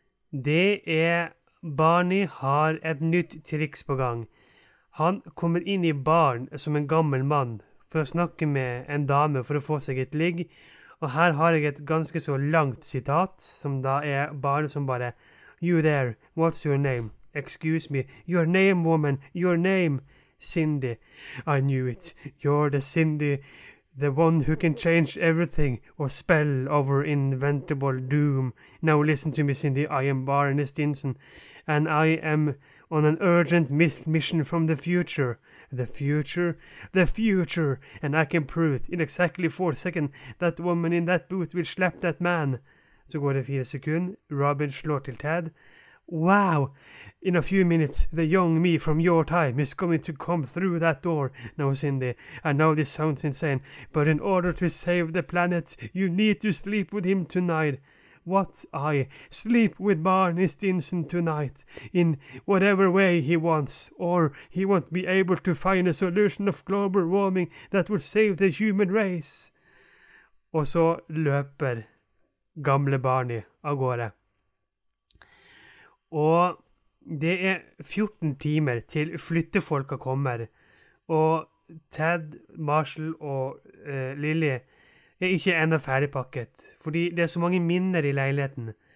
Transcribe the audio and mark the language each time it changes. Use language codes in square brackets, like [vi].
[no] Det er, Barney har et nytt triks på gang. Han kommer inn i barn som en gammel mann. For å snakke med en dame for å få seg et ligg. Og her har jeg et ganske så langt sitat, som da er bare som bare, [en] "You there, what's your name? Excuse me, your name, woman, your name, Cindy. I knew it, you're the Cindy, the one who can change everything or spell over inevitable doom. Now listen to me, Cindy, I am Barney Stinson, and I am on an urgent mission from the future. The future? The future! And I can prove it in exactly 4 seconds that woman in that boot will slap that man." [no] Så går det 4 sekunder. Robin slår til Ted. "Wow! [en] In a few minutes, the young me from your time is going to come through that door. Now, Cindy, I know this sounds insane, but in order to save the planet, you need to sleep with him tonight. What I sleep with Barney Stinson tonight, in whatever way he wants, or he won't be able to find a solution of global warming that will save the human race." [no] Og så løper gamle Barney av gårde. Og det er 14 timer til flyttefolka kommer, og Ted, Marshall og Lily er ikke enda ferdigpakket, fordi det er så mange minner i leiligheten.